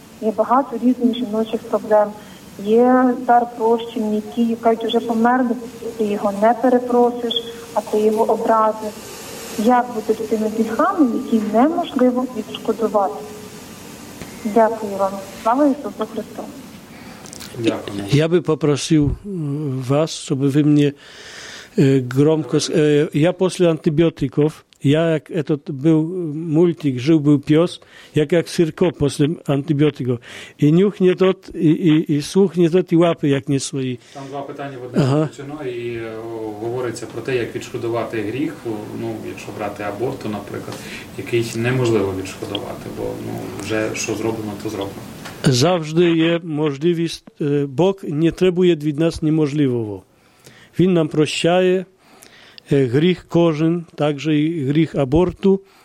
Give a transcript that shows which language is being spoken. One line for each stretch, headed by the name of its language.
Ukrainian: Є багато різних жіночих проблем. Є дар прощення, які кажуть, вже померли, ти його не перепросиш, а ти його образиш. Як бути з тими гріхами, які неможливо відшкодувати? Дякую вам. Слава Ісусу Христу. Дякую. Я би попросив вас, щоб ви мені громко.
Russian: Я после антибиотиков, я как этот был мультик, жил был пес, я как сырко после антибиотиков. И нюхнет тот, и слухнет тот, и лапы, как не свои.
Ukrainian: Там два питання в одному включено, ага. І говориться про те, як відшкодувати гріх, ну, якщо брати аборт, наприклад, який неможливо відшкодувати, бо ну, вже що зроблено, то зроблено. Завжди є можливість. Бог не требує від нас неможливого. Він нам прощає гріх кожен, також і гріх аборту.